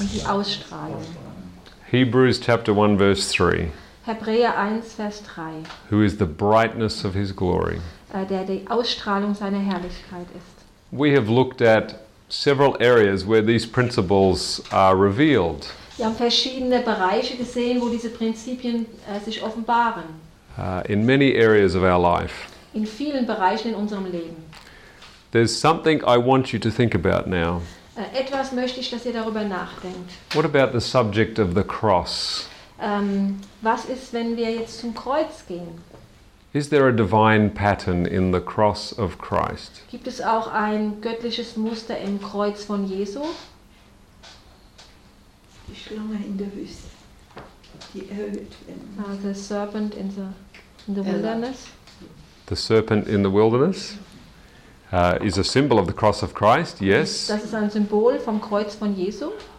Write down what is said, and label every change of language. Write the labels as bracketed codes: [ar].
[de] Und die Ausstrahlung. [en] Hebrews chapter 1 verse 3. [de] Hebräer 1 Vers 3. [en] Who is the brightness of his glory? [de] Der die Ausstrahlung seiner Herrlichkeit ist. [en] We have looked at several areas where these principles are revealed. [de] Wir haben verschiedene Bereiche gesehen, wo diese Prinzipien sich offenbaren. [en] In many areas of our life. [de] In vielen Bereichen in unserem Leben. [en] There's something I want you to think about now. [de] Etwas möchte ich, dass ihr darüber nachdenkt. [en] What about the subject of the cross? [de] Was ist, wenn wir jetzt zum Kreuz gehen? [en] Is there a divine pattern in the cross of Christ? [de] Gibt es auch ein göttliches Muster im Kreuz von Jesu? Die Schlange in der Wüste, die erhöht [en] wird. The serpent in the wilderness. The serpent in the wilderness. Is a symbol of the cross of Christ, yes. [de] Das ist ein Symbol vom Kreuz von Jesu.